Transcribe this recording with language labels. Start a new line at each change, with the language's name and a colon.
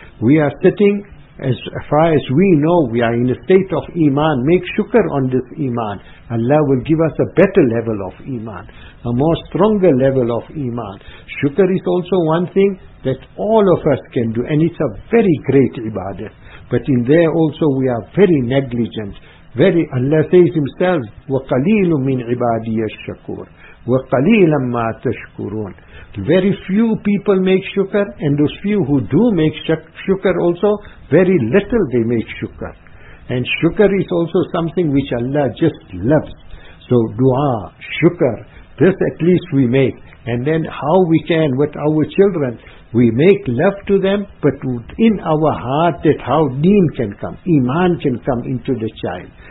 English: We are sitting, as far as we know, we are in a state of iman. Make shukr on this iman. Allah will give us a better level of iman, a more stronger level of iman. Shukr is also one thing that all of us can do, and it's a very great ibadah. But in there also we are very negligent. Very, Allah says Himself,
Arabic: وَقَلِيلٌ مِّنْ عِبَادِيَ الشَّكُورِ وَقَلِيلًا مَا تَشْكُرُونَ.
English: Very few people make shukr, and those few who do make shukr also, very little they make shukr. And shukr is also something which Allah just loves. So dua, shukr, this at least we make. And then how we can with our children, we make love to them, but in our heart that how deen can come, iman can come into the child.